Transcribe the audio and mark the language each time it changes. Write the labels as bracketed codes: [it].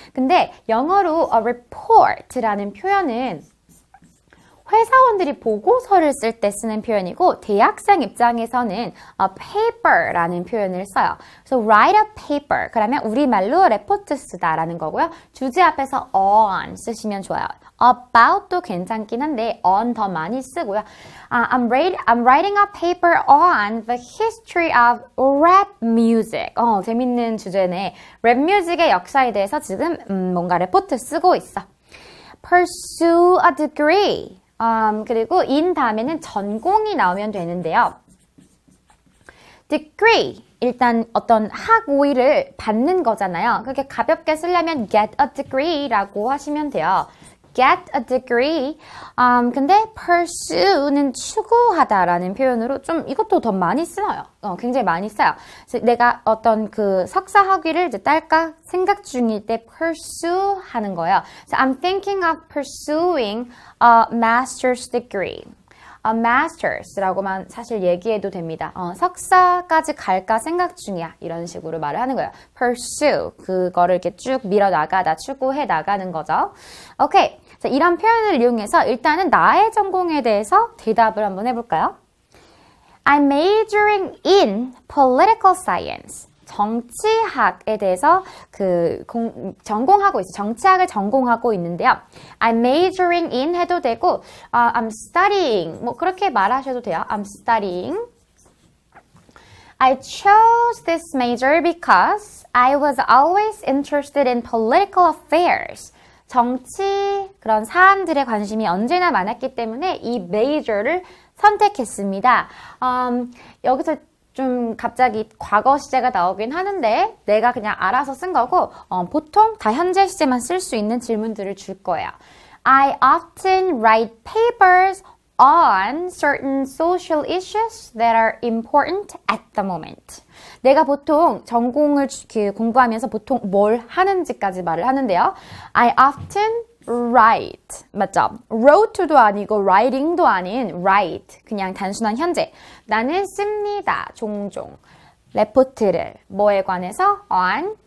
[ko] 근데 영어로 a report라는 표현은 회사원들이 보고서를 쓸때 쓰는 표현이고 대학생 입장에서는 a paper라는 표현을 써요. [en] So write a paper. [ko] 그러면 우리말로 레포트 쓰다라는 거고요. 주제 앞에서 on 쓰시면 좋아요. About도 괜찮긴 한데 on 더 많이 쓰고요. [en] I'm writing a paper on the history of rap music. [ko] 재밌는 주제네. 랩 뮤직의 역사에 대해서 지금 뭔가 레포트 쓰고 있어. [en] Pursue a degree. [ko] 그리고 in 다음에는 전공이 나오면 되는데요. degree 일단 어떤 학위를 받는 거잖아요. 그렇게 가볍게 쓰려면 [en] get a degree [ko] 라고 하시면 돼요. [en] get a degree. [ko] 근데 pursue는 추구하다라는 표현으로 좀 이것도 더 많이 쓰여요. 굉장히 많이 써요. 내가 어떤 그 석사 학위를 이제 딸까 생각 중일 때 pursue 하는 거예요. [en] So I'm thinking of pursuing a master's degree. A master's [ko] 라고만 사실 얘기해도 됩니다. 석사까지 갈까 생각 중이야. 이런 식으로 말을 하는 거예요. [en] pursue. [ko] 그거를 이렇게 쭉 밀어나가다, 추구해 나가는 거죠. 오케이. 자, 이런 표현을 이용해서 일단은 나의 전공에 대해서 대답을 한번 해볼까요? [en] I'm majoring in political science. [ko] 정치학에 대해서 전공하고 있어. 정치학을 전공하고 있는데요. [en] I'm majoring in [ko] 해도 되고, [en] I'm studying. [ko] 뭐, 그렇게 말하셔도 돼요. [en] I'm studying. I chose this major because I was always interested in political affairs. [ko] 정치, 그런 사안들의 관심이 언제나 많았기 때문에 이 major를 선택했습니다. 여기서 좀 갑자기 과거 시제가 나오긴 하는데 내가 그냥 알아서 쓴 거고 보통 다 현재 시제만 쓸수 있는 질문들을 줄 거예요. [en] I often write papers on certain social issues that are important at the moment. [ko] 내가 보통 전공을 공부하면서 보통 뭘 하는지까지 말을 하는데요. [en] I often write. [ko] 맞죠? wrote도 아니고 writing도 아닌 write. 그냥 단순한 현재. 나는 씁니다. 종종. 레포트를. 뭐에 관해서? on.